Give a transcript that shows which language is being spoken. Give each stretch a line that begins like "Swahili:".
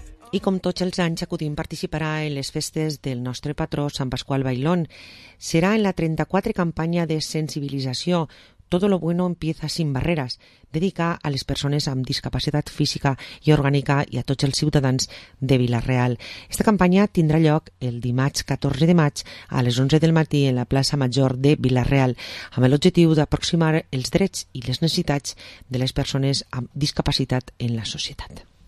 Catalan: I com tots els anys, Acudim participarà en les festes del nostre patró, Sant Pasqual Bailón. Serà en la 34a campanya de sensibilització,
Spanish: Todo lo bueno empieza sin barreres.
Catalan: Dedica a les persones amb discapacitat física i orgànica i a tots els ciutadans de Vila-real. Esta campanya tindrà lloc el dimarts 14 de maig a les 11 del matí en la plaça Major de Vila-real, amb l'objectiu d'aproximar els drets i les necessitats de les persones amb discapacitat en la societat.